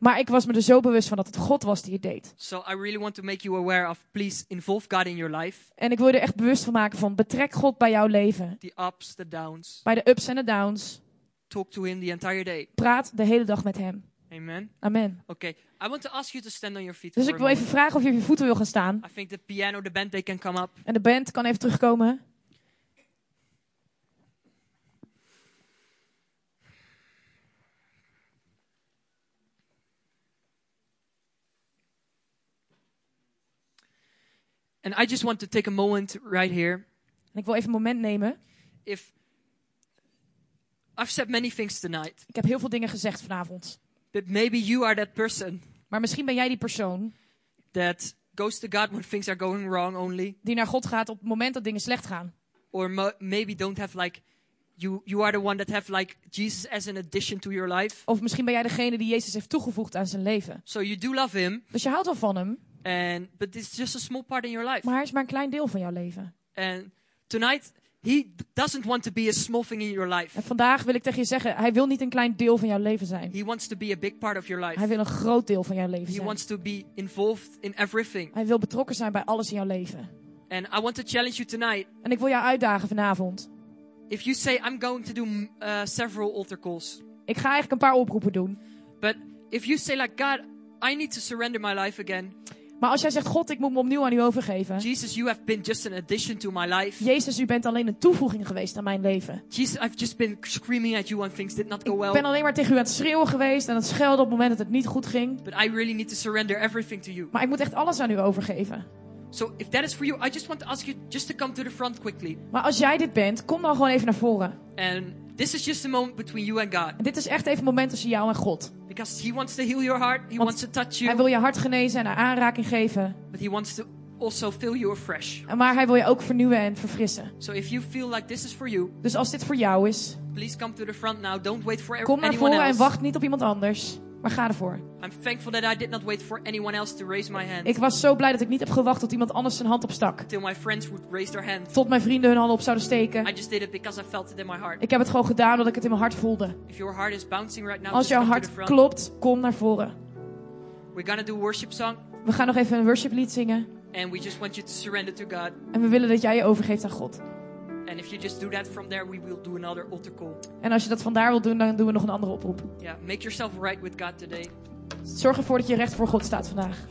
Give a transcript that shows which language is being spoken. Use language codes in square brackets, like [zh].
[nl] Maar ik was me er zo bewust van dat het God was die het deed. [en] So I really want to make you aware of, please involve God in your life. [nl] En ik wil je echt bewust van maken van betrek God bij jouw leven. [en] The ups, the downs. [nl] Bij de ups en de downs. [en] Talk to him the entire day. [nl] Praat de hele dag met hem. Amen. Amen. [en] Okay, I want to ask you to stand on your feet. [nl] Dus ik wil even vragen of je op je voeten wil gaan staan. [en] I think the piano, the band, they can come up. [nl] En de band kan even terugkomen. [en] And I just want to take a moment right here. [nl] En ik wil even een moment nemen. [en] If I've said many things tonight. [nl] Ik heb heel veel dingen gezegd vanavond. [en] But maybe you are that person. [nl] Maar misschien ben jij die persoon. [en] That goes to God when things are going wrong only. [nl] Die naar God gaat op het moment dat dingen slecht gaan. [en] Or maybe don't have like you are the one that have like Jesus as an addition to your life. [nl] Of misschien ben jij degene die Jezus heeft toegevoegd aan zijn leven. [en] So you do love him. [nl] Dus je houdt wel van hem. [en] And but it's just a small part in your life. [nl] Maar hij is maar een klein deel van jouw leven. [en] And tonight he doesn't want to be a small thing in your life. [nl] En vandaag wil ik tegen je zeggen, hij wil niet een klein deel van jouw leven zijn. [en] He wants to be a big part of your life. [nl] Hij wil een groot deel van jouw leven [en] he [nl] zijn. [en] He wants to be involved in everything. [nl] Hij wil betrokken zijn bij alles in jouw leven. [en] And I want to challenge you tonight. [nl] En ik wil jou uitdagen vanavond. [en] If you say I'm going to do several altar calls. [nl] Ik ga eigenlijk een paar oproepen doen. [en] But if you say like God, I need to surrender my life again. [nl] Maar als jij zegt, God, ik moet me opnieuw aan u overgeven. [en] Jesus, you have been just an addition to my life. [nl] Jezus, u bent alleen een toevoeging geweest aan mijn leven. [en] Jesus, I've just been screaming at you when things did not go well. [nl] Ik ben alleen maar tegen u aan het schreeuwen geweest en het schelden op het moment dat het niet goed ging. [en] But I really need to surrender everything to you. [nl] Maar ik moet echt alles aan u overgeven. [en] So if that is for you, I just want to ask you just to come to the front quickly. [nl] Maar als jij dit bent, kom dan gewoon even naar voren. [en] And this is just a moment between you and God. [nl] En dit is echt even een moment tussen jou en God. [en] Because he wants to heal your heart, he wants to touch you. [nl] Hij wil je hart genezen en een aanraking geven. [en] But he wants to also fill you afresh. [nl] Maar hij wil je ook vernieuwen en verfrissen. [en] So if you feel like this is for you. [nl] Dus als dit voor jou is. [en] Please come to the front now. Don't wait for anyone else. [nl] Kom naar voren en wacht niet op iemand anders. Maar ga ervoor. [en] I'm thankful that I did not wait for anyone else to raise my hand. [nl] Ik was zo blij dat ik niet heb gewacht tot iemand anders zijn hand opstak. [en] Till my friends would raise their hand. [nl] Tot mijn vrienden hun handen op zouden steken. [en] I just did it because I felt it in my heart. [nl] Ik heb het gewoon gedaan omdat ik het in mijn hart voelde. [en] If your heart is bouncing right now, [nl] als jouw hart klopt, kom naar voren. [en] We're gonna do a worship song. [nl] We gaan nog even een worshiplied zingen. [en] And we just want you to surrender to God. [nl] En we willen dat jij je overgeeft aan God. [en] And if you just do that from there, we will do another altar call. [nl] En als je dat vandaar wilt doen, dan doen we nog een andere oproep. [en] Yeah, make yourself right with God today. [nl] Zorg ervoor dat je recht voor God staat vandaag.